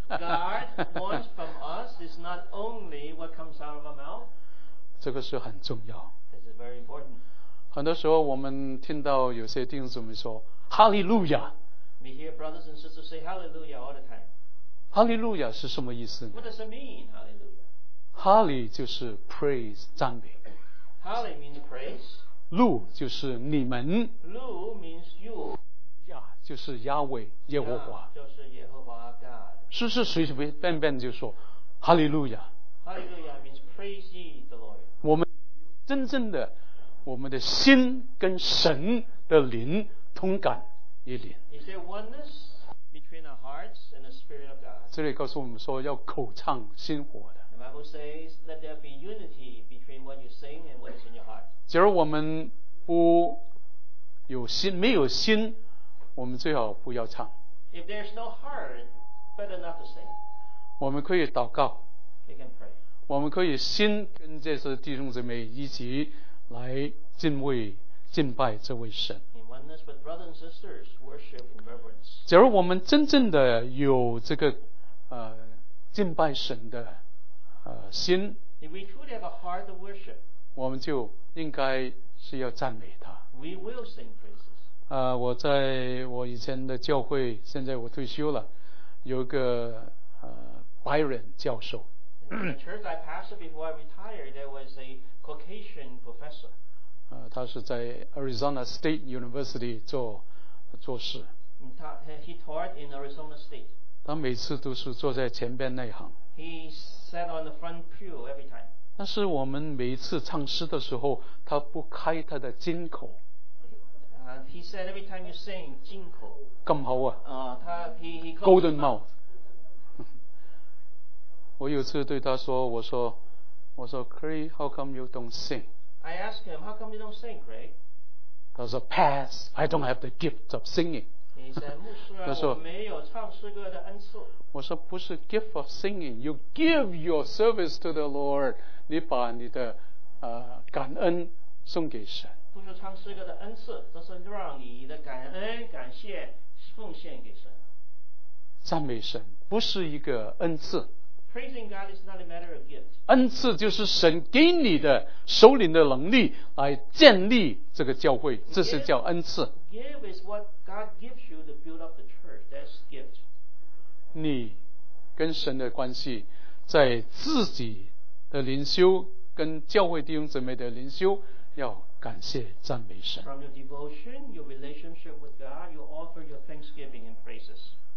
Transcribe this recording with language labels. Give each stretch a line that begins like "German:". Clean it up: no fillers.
English: God wants from us is not only what comes out of our mouth.
Chinese: 这个是很重要。
English: This is very important.
Chinese: 很多时候我们听到有些弟兄姊妹说哈利路亚。
English: We hear brothers and sisters say hallelujah all the time.
Chinese: 哈利路亚是什么意思呢？
English: What does it mean, hallelujah?
Chinese: 哈利就是 praise 赞美。
English: 哈利 means praise。
Chinese: 路就是你们。
English: 路 means you。
Chinese: 亚就是亚伟耶和华。就是耶和华 God。是是随随便便就说哈利路亚。
English: 哈利路亚 means praise ye the Lord。
Chinese: 我们真正的我们的心跟神的灵通感一灵。
English: Is there oneness between our hearts and the spirit of God？
Chinese: 这里告诉我们说要口唱心活的。
English: Bible says, "Let there be unity between what you sing and what is in your heart."
Chinese: 假如我们不有心，没有心，我们最好不要唱。
English: If there's no heart, better not to sing.
Chinese: 我们可以祷告。
English: We can pray.
Chinese: 我们可以心跟这些弟兄姊妹一起来敬畏、敬拜这位神。
English: In oneness with brothers and sisters, worship in reverence.
Chinese: 假如我们真正的有这个敬拜神的。心
English: If we truly have a heart of worship,
Chinese: 我们就应该是要赞美他。
English: We will sing praises.
Chinese: 我在我以前的教会，现在我退休了，有一个白人教授。
English: In the church I pastored before I retired, there was a Caucasian professor.
Chinese: 他是在 Arizona State University 做事。
English: He taught in Arizona State.
Chinese: 他每次都是坐在前边那一行。
English: He sat on the front pew every time.
Chinese: 但是我们每一次唱诗的时候，他不开他的金口。
English: He said every time you sing, 金口。
Chinese: 金口啊。
English: He Golden mouth.
Chinese: 我有次对他说，我说
English: Craig, how come you don't sing? I asked him, how come you don't sing, Craig?
Chinese: 他说
English: Pass, I don't have the gift of singing.
Chinese: 他说我没有唱诗歌的恩赐。我说不是
English: gift of singing, you give your service to the Lord.
Chinese: 你把你的感恩送给神。不是唱诗歌的恩赐，这是让你的感恩感谢奉献给神。赞美神不是一个恩赐。
English: Praise is not praising God is not a matter of gift.
Chinese: 恩赐就是神给你的属灵的能力来建立这个教会，这是叫恩赐。
English: Give is what God gives you to build up the church. That's gift.
Chinese: 你跟神的关系，在自己的灵修跟教会弟兄姊妹的灵修，要感谢赞美神。
English: From your devotion, your relationship with God, you offer your thanksgiving and praises.